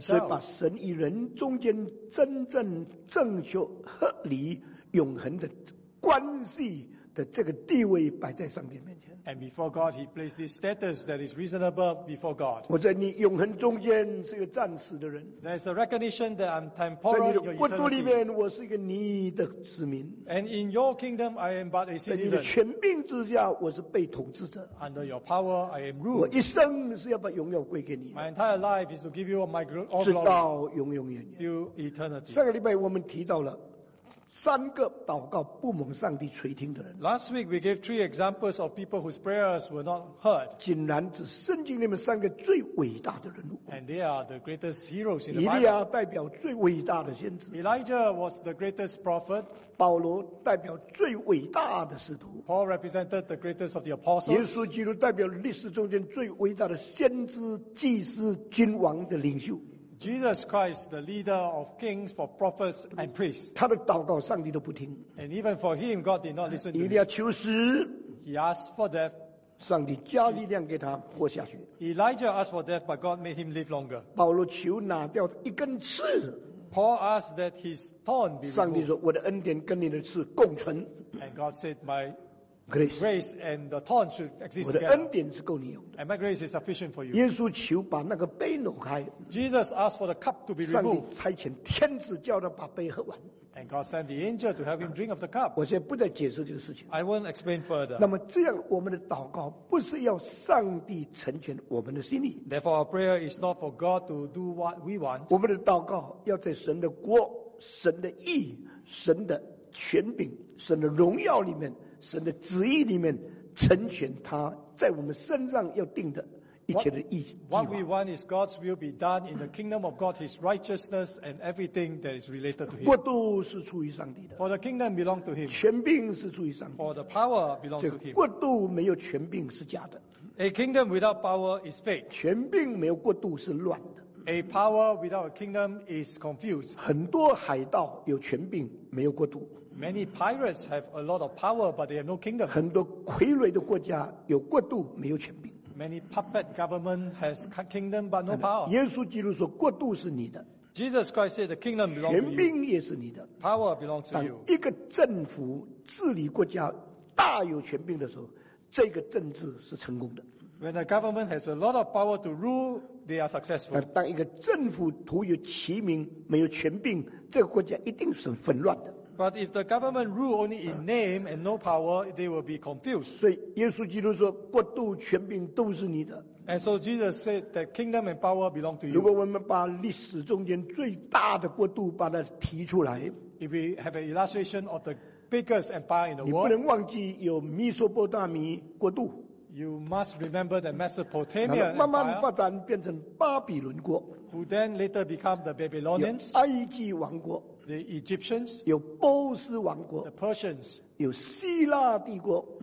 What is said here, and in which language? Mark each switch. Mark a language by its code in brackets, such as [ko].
[zh] 所以把神与人中间真正正确合理永恒的关系的这个地位摆在上帝面前。 [en] And before God, He placed this status that is reasonable before God. [zh] 我在你永恒中间是一个暂时的人。 [en] There's a recognition that I'm temporal. [zh] 在你的国度里面，我是一个你的子民。 [en] And in your kingdom, I am but a citizen. [zh] 在你的权柄之下，我是被统治者。 [en] Under your power, I am ruler. [zh] 我一生是要把荣耀归给你。 [en] My entire life is to give you my glory. [zh] 直到永永远远。 [en] To eternity. [zh] 上个礼拜我们提到了。三个祷告不蒙上帝垂听的人。 [en] Last week we gave three examples of people whose prayers were not heard. [zh] 竟然是圣经里面三个最伟大的人物。 [en] And they are the greatest heroes in the Bible. [zh] 以利亚代表最伟大的先知。 [en] Elijah was the greatest prophet. [zh] 保罗代表最伟大的使徒。 [en] Paul represented the greatest of the apostles. [zh] 耶稣基督代表历史中间最伟大的先知、祭司、君王的领袖。 [en] Jesus Christ, the leader of kings, for prophets and priests. [zh] 他的祷告上帝都不听。 [en] And even for him, God did not listen to him. [zh] 以利亚求死。 [en] He asked for death. [zh] 上帝加力量给他活下去。 [en] Elijah asked for death, but God made him live longer. [zh] 保罗求拿掉一根刺。 [en] Paul asked that his thorn be removed. [zh] 上帝说，我的恩典跟你的刺共存。 [en] And God said, my grace. Grace and the thorn should exist together. [zh] 我的恩典是够你用的。 [en] And my grace is sufficient for you. [zh] 耶稣求把那个杯挪开。 [en] Jesus asked for the cup to be removed. [zh] 上帝差遣天使叫他把杯喝完。 [en] And God sent the angel to have him drink of the cup. [zh] 我现在不再解释这个事情。 [en] I won't explain further. [zh] 那么这样我们的祷告不是要上帝成全我们的心意。 [en] Therefore our prayer is not for God to do what we want. [zh] 我们的祷告要在神的国、神的义、神的权柄、神的荣耀里面。神的旨意里面成全他在我们身上要定的一切的意计划。 [en] What we want is God's will be done in the kingdom of God, His righteousness and everything that is related to Him. [zh] 国度是出于上帝的。 [en] For the kingdom belong to Him. [zh] 权柄是出于上帝。 [en] For the power belongs to Him. [zh] 国度没有权柄是假的。 [en] A kingdom without power is fake. [zh] 权柄没有国度是乱的。 [en] A power without a kingdom is confused. [zh] 很多海盗有权柄没有国度。 [en] Many pirates have a lot of power, but they have no kingdom. [zh] 很多傀儡的国家有国度，没有权柄。 [en] Many puppet government has kingdom, but no power. [zh] 耶稣基督说，国度是你的。 [en] Jesus Christ said, the kingdom belongs to you. [zh] 权柄也是你的。 [en] Power belongs to you. [zh] 当一个政府治理国家大有权柄的时候，这个政治是成功的。 [en] When a government has a lot of power to rule, they are successful. [zh] 当一个政府徒有其名，没有权柄，这个国家一定是混乱的。 [en] But if the government rule only in name and no power, they will be confused. [zh] 所以耶稣基督说，国度权柄都是你的。 [en] And so Jesus said that kingdom and power belong to you. [zh] 如果我们把历史中间最大的国度把它提出来， [en] if we have an illustration of the biggest empire in the world, [zh] 你不能忘记有米索波大米国度。 [en] You must remember the Mesopotamia Empire, [zh] 慢慢发展变成巴比伦国， [en] who then later become the Babylonians, [zh] 有埃及王国， [en] the Egyptians, [zh] 有波斯王国， [en] the Persians, [zh] 有希腊帝国，